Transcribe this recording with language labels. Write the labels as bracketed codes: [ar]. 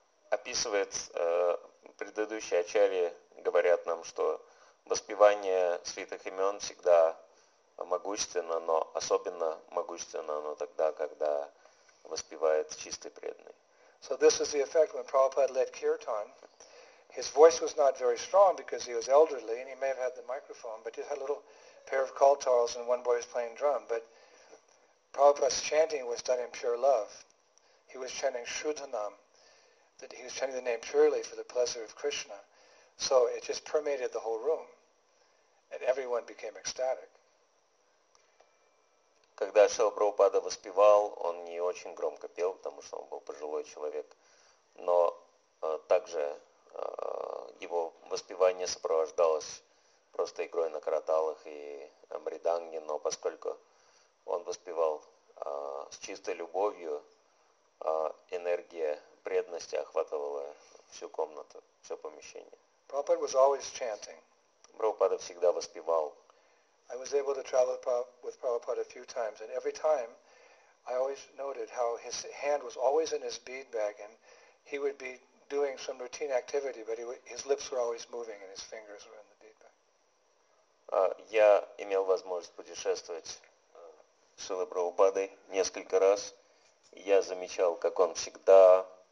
[ru] Описывает предыдущие ачарьи говорят нам, что воспевание святых имен всегда могущественно, но особенно могущественно оно тогда, когда воспевает чистый преданный. [en] So this is the effect when Prabhupada led kirtan. His voice was not very strong because he was elderly and he may have had the microphone, but he had a little pair of koltars and one boy was playing drum. But Prabhupada's chanting was done in pure love. He was chanting Shuddhanam, that he was chanting the name purely for the pleasure of Krishna. So it just permeated the whole room and everyone became ecstatic. [ru] Когда Шрила Прабхупада воспевал, он не очень громко пел, потому что он был пожилой человек, но также его воспевание сопровождалось просто игрой на караталах и мриданге, но поскольку он воспевал с чистой любовью, энергия преданности охватывала всю комнату, все помещение. [en] Prabhupada was always chanting. [ru] Прабхупада всегда воспевал. [en] I was able to travel with Prabhupada a few times, and every time I always noted how his hand was always in his bead bag, and he would be doing some routine activity, but his lips were always moving, and his fingers were in the bead bag. [ru] Я имел возможность путешествовать с Шрилой Прабхупадой несколько раз. Я замечал, как он всегда...